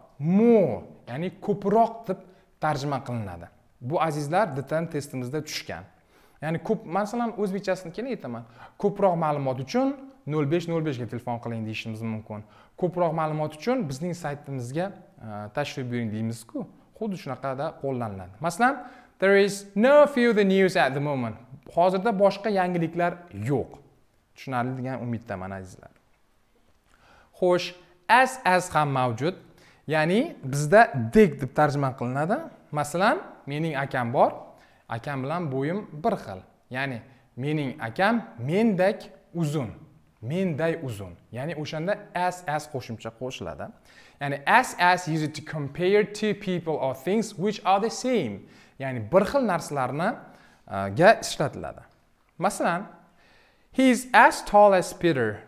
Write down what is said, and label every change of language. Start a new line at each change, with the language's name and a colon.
Uzbek: More, ya'ni ko'proq deb tarjima qilinadi. Bu azizlar DTM testimizda tushgan. Ya'ni ko'p, masalan, o'zbekchasini keyin aytaman. Ko'proq ma'lumot uchun 0505 ga telefon qiling deyishimiz mumkin. Ko'proq ma'lumot uchun bizning saytimizga tashrif buyuring deymiz-ku. Xuddi shunaqada qo'llaniladi.
English: Masalan, there is no further news at the moment.
Uzbek: Hozirda boshqa yangiliklar yo'q. Tushunarli degan umiddaman azizlar. Xo'sh, as ham mavjud. Ya'ni bizda dek deb tarjima qilinadi. Masalan, mening akam bor. Akam bilan bo'yim bir xil. Ya'ni mening akam mendek uzun. Menday uzun. Ya'ni o'shanda as qo'shimcha qo'shiladi.
English: Ya'ni as is used to compare two people or things which are the same.
Uzbek: Ya'ni bir xil narsalarni ga ishlatiladi. Masalan,
English: he is as tall as Peter.